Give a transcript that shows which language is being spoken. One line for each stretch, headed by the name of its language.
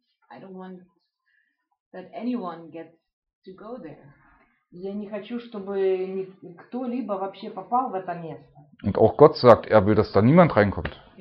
English: I don't want that anyone gets to go there.
Russian: Я не хочу, чтобы кто-либо вообще попал в это место.
German: Und auch Gott sagt, er will, dass da niemand reinkommt.